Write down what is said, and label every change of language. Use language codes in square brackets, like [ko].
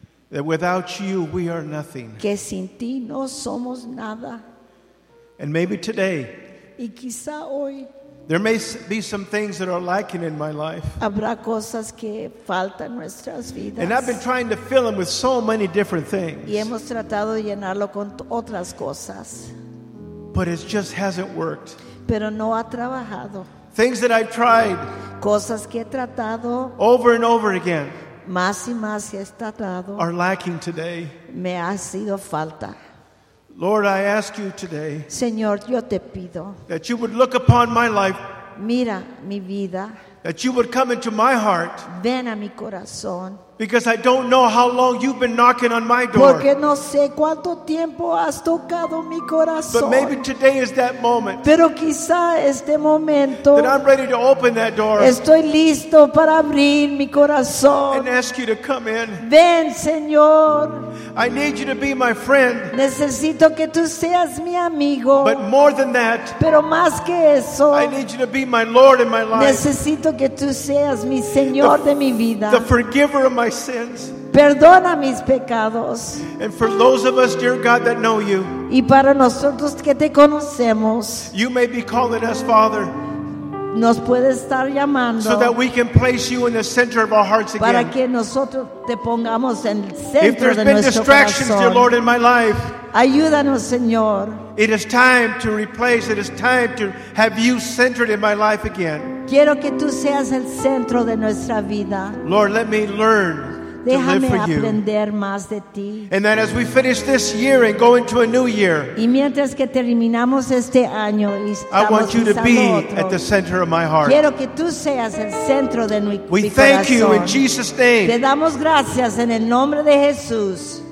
[en] That without you, we are nothing. [es] Que sin ti no somos nada. [en] And maybe today. [es] Y quizá hoy. [en] There may be some things that are lacking in my life. [es] Habrá cosas que faltan en nuestras vidas. [en] And I've been trying to fill them with so many different things. [es] Y hemos tratado de llenarlo con otras cosas. [en] But it just hasn't worked. [es] Pero no ha trabajado. [en] Things that I've tried. [es] Cosas que he tratado. [en] Over and over again. [es] Más y más he tratado. [en] Are lacking today. [es] Me ha sido falta. [en] Lord, I ask you today, [es] Señor, yo te pido, [en] that you would look upon my life, [es] mira mi vida, [en] that you would come into my heart, [es] ven a mi corazón, [en] because I don't know how long you've been knocking on my door, [es] porque no sé cuánto tiempo has tocado mi corazón, [en] but maybe today is that moment, [es] pero quizá este momento, [en] that I'm ready to open that door, [es] estoy listo para abrir mi corazón, [en] and ask you to come in, [es] ven Señor. [en] I need you to be my friend. [es] Necesito que tú seas mi amigo. [en] But more than that, [es] pero más que eso, [en] I need you to be my Lord in my life. [es] Necesito que tú seas mi Señor de mi vida. [en] The forgiver of my sins. [es] Perdona mis pecados. [en] And for those of us, dear God, that know you, [es] y para nosotros que te conocemos, [en] you may be calling us Father. [es] Nos puede estar llamando, [en] so that we can place you in the center of our hearts again. [es] Para que nosotros te pongamos en el centro. [en] If there's [es] de [en] been [es] nuestro [en] distractions, [es] corazón, [en] dear Lord, in my life, [es] ayúdanos, Señor. [en] It is time to replace. It is time to have you centered in my life again. [es] Quiero que tú seas el centro de nuestra vida. [en] Lord, let me learn. [es] Déjame [en] to live for [es] aprender [en] you. [es] Más de ti. [en] And that as we finish this year and go into a new year, [es] y mientras que terminamos este año y estamos [en] I want you to be [es] otro, [en] at the center of my heart. [es] Quiero que tú seas el centro de mi corazón. [en] We thank you in Jesus' name. [es] Te damos gracias en el nombre de Jesús.